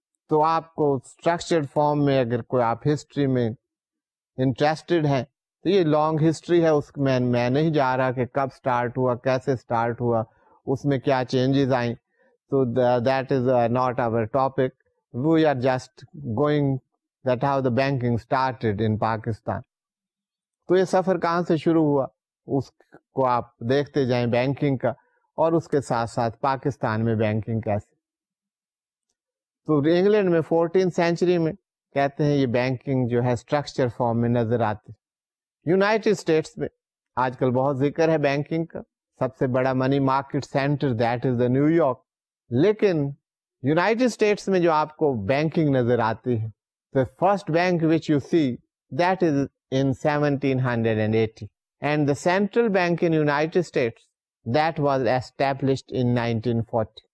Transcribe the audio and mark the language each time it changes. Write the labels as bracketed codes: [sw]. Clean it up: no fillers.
[ur] تو آپ کو اسٹرکچرڈ فارم میں اگر کوئی آپ ہسٹری میں انٹرسٹڈ ہیں, تو یہ لانگ ہسٹری ہے, اس میں میں نہیں جا رہا کہ کب اسٹارٹ ہوا, کیسے اسٹارٹ ہوا, اس میں کیا چینجز آئیں, تو [en] That is not our topic. We are just going that how the banking started in Pakistan. [ur] تو یہ سفر کہاں سے شروع ہوا اس کو آپ دیکھتے جائیں بینکنگ کا, اور اس کے ساتھ ساتھ پاکستان میں بینکنگ کیسے. تو انگلینڈ میں 14th سینچری میں کہتے ہیں یہ بینکنگ جو ہے اسٹرکچر فارم میں نظر آتی. یونائٹیڈ اسٹیٹس میں آج کل بہت ذکر ہے بینکنگ کا, سب سے بڑا money market centre [en] That is the New York. [ur] لیکن یونائٹیڈ اسٹیٹس میں جو آپ کو بینکنگ نظر آتی ہے, [en] the first bank which you see, that is in 1780, and the central bank in United States, that was established in 1940.